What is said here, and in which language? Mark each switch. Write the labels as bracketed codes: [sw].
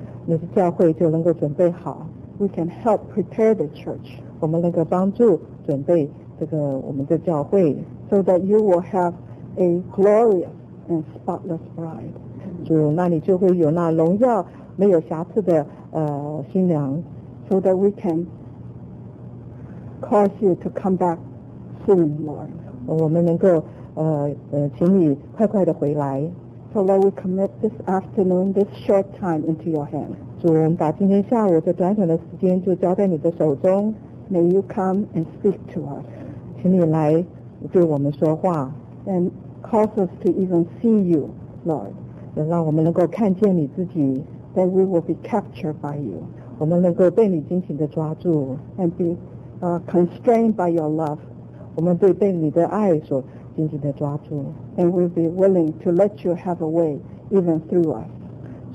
[zh] 你的教会就能够准备好。 [en] We can help prepare the church. [zh] 我们能够帮助准备这个我们的教会。 [en] So that you will have a glorious and spotless bride. [zh] 主，那你就会有那荣耀没有瑕疵的新娘。 [en] So that we can cause you to come back soon, Lord. [zh] 我们能够请你快快的回来。 [en] So that we commit this afternoon, this short time into your hand. [zh] 主，我们把今天下午这短短的时间就交在你的手中。 [en] May you come and speak to us. [zh] 请你来对我们说话。 [en] And cause us to even see you, Lord. [zh] 让我们能够看见你自己。 [en] That we will be captured by you. [zh] 我们能够被你紧紧的抓住。 [en] And be constrained by your love. [zh] 我们被你的爱所紧紧的抓住。 [en] And we'll be willing to let you have a way even through us.